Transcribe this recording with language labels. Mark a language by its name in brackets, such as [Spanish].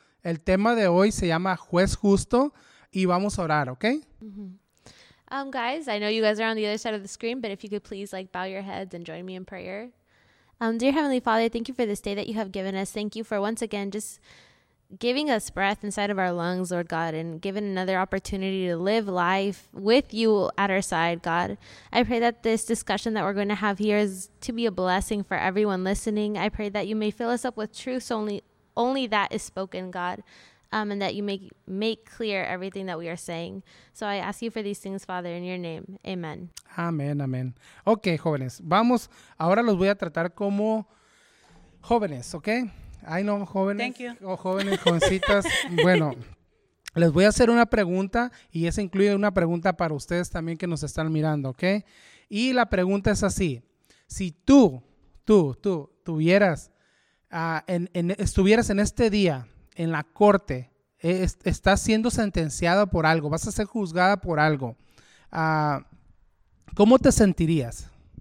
[Spanish] El tema de hoy se llama Juez Justo y vamos a orar, ¿ok? Uh-huh. [English] Guys, I know you guys are on the other side of the screen, but if you could please bow your heads and join me in prayer. Dear Heavenly Father, thank you for this day that you have given us. Thank you for once again just giving us breath inside of our lungs, Lord God, and giving another opportunity to live life with you at our side, God. I pray that this discussion that we're going to have here is to be a blessing for everyone listening. I pray that you may fill us up with truth only that is spoken, God. And that you make clear everything that we are saying. So I ask you for these things, Father, in your name. Amen. [Spanish] Amen, amen. Ok, jóvenes, vamos. Ahora los voy a tratar como jóvenes, ¿ok? Ay, no, jóvenes. [English] Thank you. [Spanish] Jóvenes, jovencitas. Bueno, Les voy a hacer una pregunta y esa incluye una pregunta para ustedes también que nos están mirando, ¿ok? Y la pregunta es así. Si tú tuvieras, estuvieras en este día en la corte, estás siendo sentenciada por algo, vas a ser juzgada por algo, ¿cómo te sentirías?